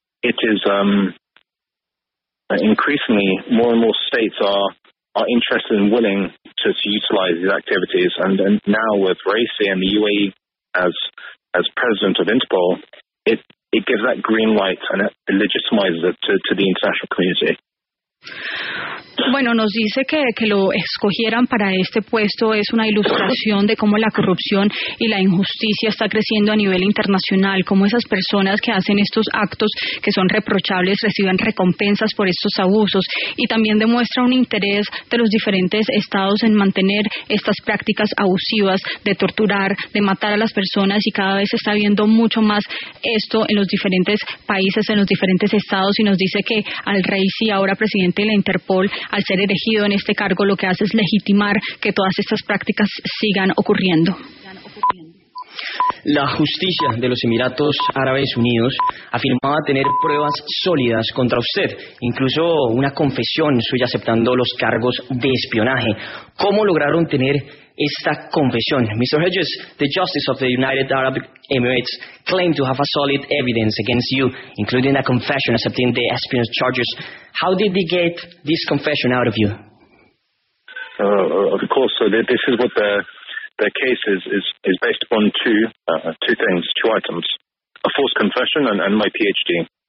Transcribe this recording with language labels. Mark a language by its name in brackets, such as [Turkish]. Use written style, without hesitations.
[English] It is increasingly more and more states are interested and willing to utilize these activities. And now with Raisi and the UAE as president of Interpol, it gives that green light and it legitimizes it to the international community. [Spanish] Bueno, nos dice que lo escogieran para este puesto es una ilustración de cómo la corrupción y la injusticia está creciendo a nivel internacional, cómo esas personas que hacen estos actos que son reprochables reciben recompensas por estos abusos, y también demuestra un interés de los diferentes estados en mantener estas prácticas abusivas de torturar, de matar a las personas, y cada vez se está viendo mucho más esto en los diferentes países, en los diferentes estados, y nos dice que Al-Raisi, ahora presidente de la Interpol, al ser elegido en este cargo, lo que hace es legitimar que todas estas prácticas sigan ocurriendo. La justicia de los Emiratos Árabes Unidos afirmaba tener pruebas sólidas contra usted, incluso una confesión suya aceptando los cargos de espionaje. ¿Cómo lograron tener esta confesión? Mr. [English] Hedges, the Justice of the United Arab Emirates claimed to have a solid evidence against you, including a confession accepting the espionage charges. How did they get this confession out of you? Of course, so this is what the case is based upon, two items, a false confession and my PhD.